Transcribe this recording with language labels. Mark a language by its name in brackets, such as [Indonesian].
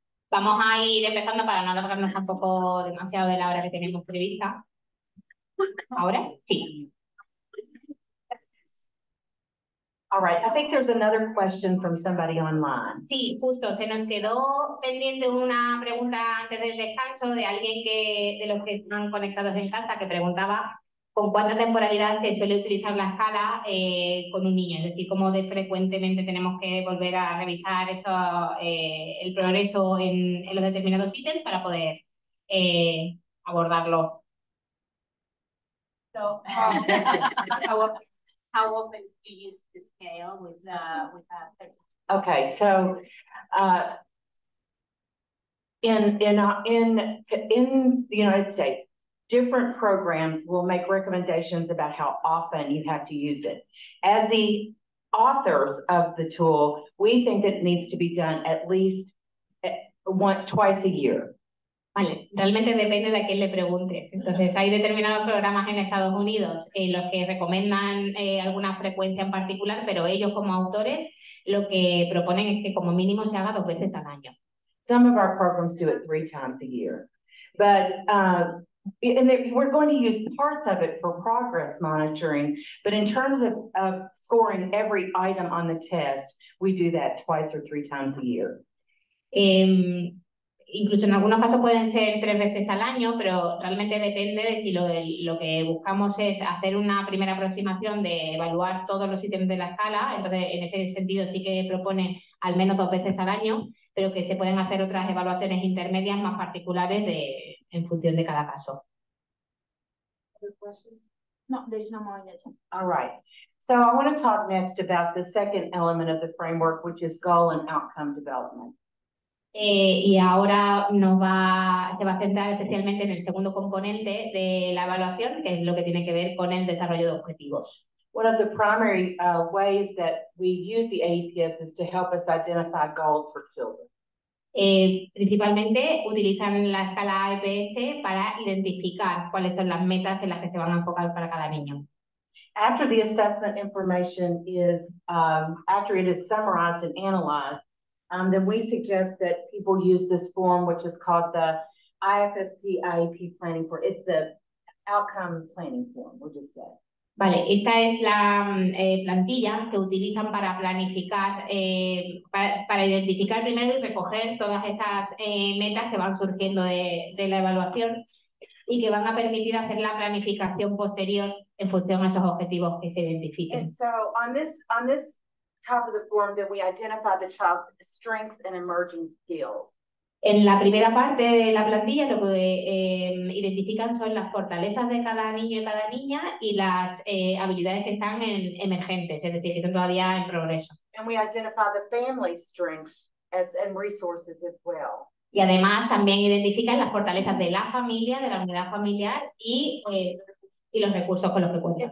[Spanish] Vamos a ir empezando para no alargarnos tampoco demasiado de la hora que tenemos prevista. ¿Ahora? Sí. [English] All right, I think there's another question from somebody online. [Spanish] Sí, justo, se nos quedó pendiente una pregunta antes del descanso de alguien de los que están conectados en casa, que preguntaba con cuánta temporalidad se suele utilizar la escala con un niño, es decir, cómo de frecuentemente tenemos que volver a revisar eso, el progreso en los determinados ítems para poder abordarlo. [English] So, how often do you use the scale with that? Okay, so in the United States, different programs will make recommendations about how often you have to use it. As the authors of the tool, we think that it needs to be done at least twice a year. [Spanish] Vale, realmente depende de a quién le preguntes. Entonces, hay determinados programas en Estados Unidos en los que recomiendan alguna frecuencia en particular, pero ellos como autores lo que proponen es que como mínimo se haga dos veces al año. [English] Some of our programs do it 3 times a year. But we're going to use parts of it for progress monitoring, but in terms of scoring every item on the test, we do that 2 or 3 times a year. [Spanish] Incluso en algunos casos pueden ser 3 veces al año, pero realmente depende de si lo que buscamos es hacer una primera aproximación de evaluar todos los ítems de la escala. Entonces, en ese sentido sí que propone al menos 2 veces al año, pero que se pueden hacer otras evaluaciones intermedias más particulares de en función de cada caso. [English] Other questions? No, there's no more in the chat. All right. So I want to talk next about the second element of the framework, which is goal and outcome development. [Spanish] Y ahora se va a centrar especialmente en el segundo componente de la evaluación, que es lo que tiene que ver con el desarrollo de objetivos. [English] One of the primary ways that we use the AEPS is to help us identify goals for children. [Spanish] Principalmente utilizan la escala AEPS para identificar cuáles son las metas en las que se van a enfocar para cada niño. [English] After the assessment information is, after it is summarized and analyzed, then we suggest that people use this form, which is called the IFSP IEP planning form. It's the outcome planning form, we'll just say. [Spanish] Vale, esta es la plantilla que utilizan para planificar, para identificar primero y recoger todas esas metas que van surgiendo de la evaluación y que van a permitir hacer la planificación posterior en función a esos objetivos que se identifiquen. [English] And so on this top of the form that we identify the child's strengths and emerging skills. [Spanish] En la primera parte de la plantilla lo que identifican son las fortalezas de cada niño y cada niña y las habilidades que están en emergentes, es decir, que están todavía en progreso. [English] And we identify the family strengths as and resources as well. [Spanish] Y además también identifican las fortalezas de la familia, de la unidad familiar y los recursos con los que cuentan.